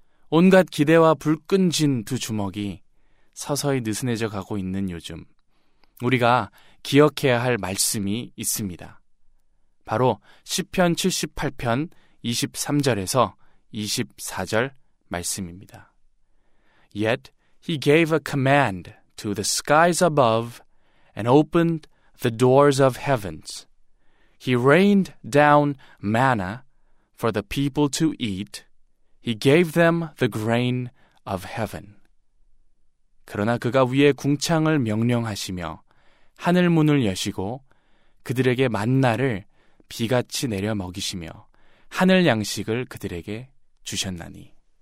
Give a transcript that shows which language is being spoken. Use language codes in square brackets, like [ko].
[ko] 온갖 기대와 불끈 쥔 두 주먹이 서서히 느슨해져 가고 있는 요즘, 우리가 기억해야 할 말씀이 있습니다. 바로 시편 78편 23절에서 24절 말씀입니다. [en] Yet he gave a command to the skies above and opened the doors of heavens. He rained down manna for the people to eat. He gave them the grain of heaven. [ko] 그러나 그가 위에 궁창을 명령하시며 하늘 문을 여시고 그들에게 만나를 비같이 내려 먹이시며 하늘 양식을 그들에게 주셨나니.